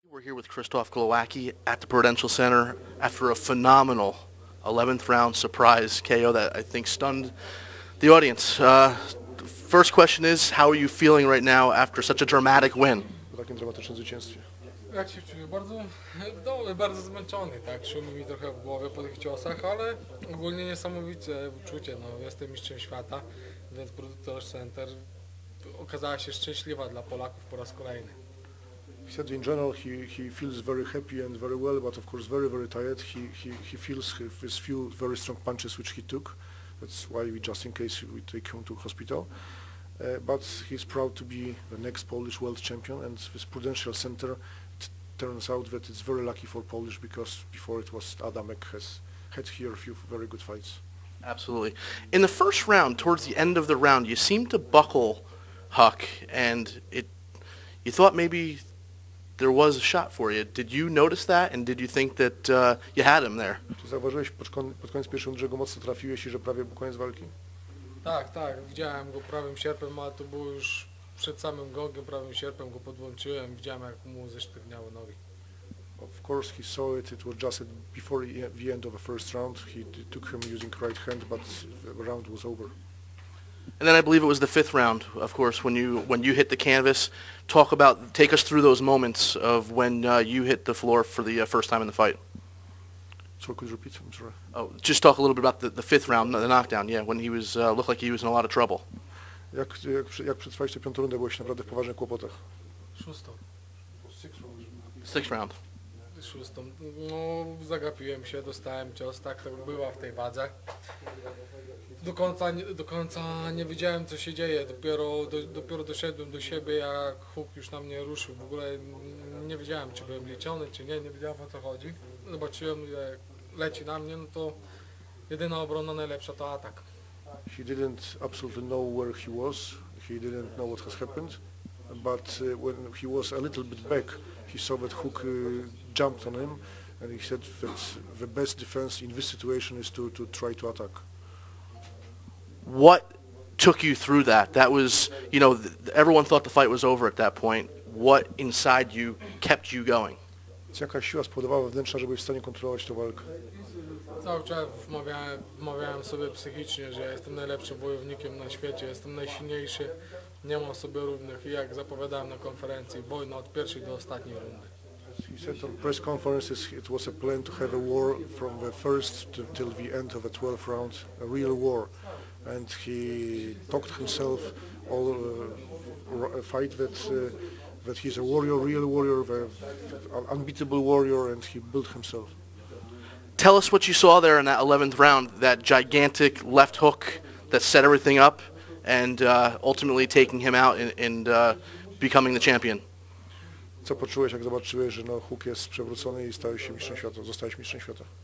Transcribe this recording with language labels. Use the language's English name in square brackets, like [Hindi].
[English] We're here with Krzysztof Glowacki at the Prudential Center after a phenomenal 11th round surprise KO that I think stunned the audience. First question is, how are you feeling right now after such a dramatic win? [Polish] Takim dramatycznym zwycięstwie. Jak się czuję? Bardzo zmęczony, tak? Szumi mi trochę w głowie po tych ciosach, ale ogólnie niesamowite uczucie. No, jestem mistrzem świata, więc Prudential Center okazała się szczęśliwa dla Polaków po raz kolejny. [English] He said in general he feels very happy and very well, but of course very, very tired. He feels his few very strong punches which he took. That's why we just in case we take him to hospital. But he's proud to be the next Polish world champion, and this Prudential Center, it turns out that it's very lucky for Polish, because before it was Adamek has had here a few very good fights. Absolutely. In the first round, towards the end of the round, you seemed to buckle Huck, and you thought maybe there was a shot for you. Did you notice that, and did you think that you had him there? [Polish] Czy zauważyłeś pod koniec pierwszego, że go mocno trafiłeś i że prawie był koniec walki? Tak, widziałem go prawym sierpem, ale to było już przed samym gongiem, prawym sierpem go podłączyłem, widziałem jak mu zesztywniały nogi. [English] Of course he saw it, it was just before the end of the first round. He took him using right hand, but the round was over. And then I believe it was the fifth round, of course, when you hit the canvas. Take us through those moments of when you hit the floor for the first time in the fight. So could you repeat? I'm sorry. Oh, just talk a little bit about the fifth round, the knockdown. Yeah, when he was looked like he was in a lot of trouble. [Polish] Jak przetrwaliście piątą rundę, byłeś naprawdę w poważnych kłopotach. Szóstą. [English] Sixth round. [Polish] Szóstą. No, zagapiłem się, dostałem cios, tak to była w tej wadze. Do końca nie wiedziałem, co się dzieje. Dopiero doszedłem do siebie, jak Huck już na mnie ruszył. W ogóle nie wiedziałem, czy byłem leczony, czy nie. Nie wiedziałem, o co chodzi. Zobaczyłem, jak leci na mnie, no to jedyna obrona najlepsza to atak. [English] He didn't absolutely know where he was. He didn't know what has happened. But when he was a little bit back, he saw that Huck jumped on him. And he said that the best defense in this situation is to try to attack. What took you through that? That was, you know, everyone thought the fight was over at that point. What inside you kept you going? [Polish] Jaka siła spowodowała wewnętrzna, żebyś w stanie kontrolować tę walkę? Cały czas wmawiałem sobie psychicznie, że jestem najlepszym wojownikiem na świecie, jestem najsilniejszy, nie mam sobie równych. I jak zapowiadałem na konferencji, wojna od pierwszej do ostatniej rundy. [English] He said on press conferences it was a plan to have a war from the first till the end of a 12th round, a real war. And he talked himself all a fight that he's a warrior, real warrior, an unbeatable warrior, and he built himself. Tell us what you saw there in that 11th round, that gigantic left hook that set everything up and ultimately taking him out and becoming the champion. [Polish] Co poczułeś, jak zobaczyłeś, że no, Huck jest przewrócony i stałeś się mistrzem świata, zostałeś mistrzem świata?